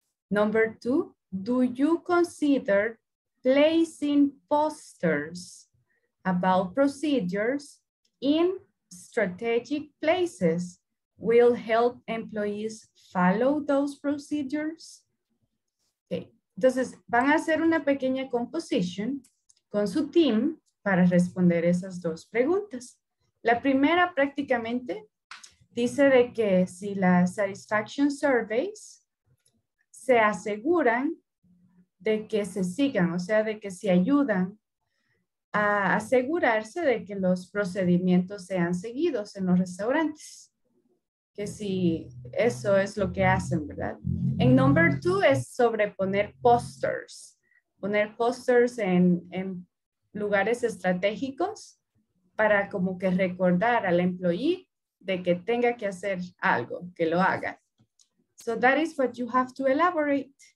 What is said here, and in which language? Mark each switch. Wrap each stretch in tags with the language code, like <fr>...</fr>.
<en>Number two, do you consider placing posters about procedures in strategic places will help employees follow those procedures? Okay.</en> <es>Entonces, van a hacer una pequeña composición con su team para responder esas dos preguntas. La primera prácticamente dice de que si las satisfaction surveys se aseguran de que se sigan, o sea, de que se ayudan a asegurarse de que los procedimientos sean seguidos en los restaurantes. Que si eso es lo que hacen, ¿verdad? En</es> <en>number two</en> <es>es sobre poner posters en lugares estratégicos para como que recordar al employee de que tenga que hacer algo, que lo haga.</es> <en>So that is what you have to elaborate.</en>